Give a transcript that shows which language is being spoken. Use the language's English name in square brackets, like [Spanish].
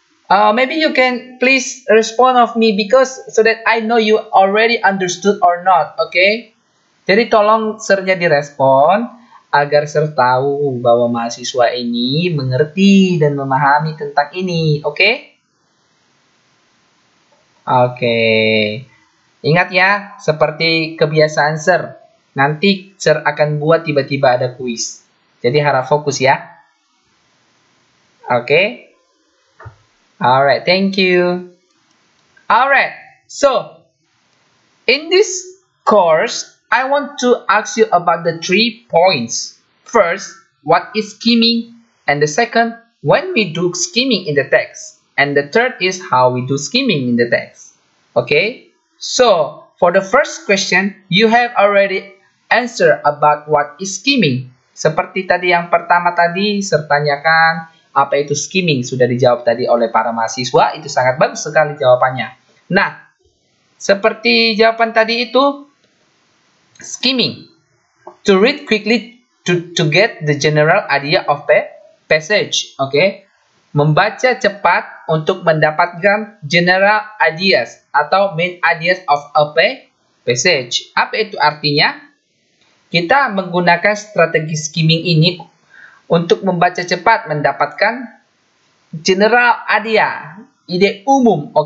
[English] Maybe you can please respond of me because so that I know you already understood or not, okay? [Indonesian] Jadi tolong sernya direspon agar ser tahu bahwa mahasiswa ini mengerti dan memahami tentang ini, okay? Okay. Ingat ya, seperti kebiasaan ser, nanti ser akan buat tiba-tiba ada kuis. Jadi harap fokus ya. Okay? [English] Alright, thank you. Alright, so in this course, I want to ask you about the three points. First, what is skimming? And the second, when we do skimming in the text? And the third is how we do skimming in the text. Okay, so for the first question, you have already answered about what is skimming. [Indonesian] Seperti tadi yang pertama tadi, sertanyakan. Apa itu skimming? Sudah dijawab tadi oleh para mahasiswa. Itu sangat bagus sekali jawabannya. Nah, seperti jawaban tadi itu, skimming. [English] To read quickly to get the general idea of passage. Okay? [Indonesian] Membaca cepat untuk mendapatkan general ideas atau [English] main ideas of a passage. [Indonesian] Apa itu artinya? Kita menggunakan strategi skimming ini untuk membaca cepat mendapatkan general idea, ide umum, oke?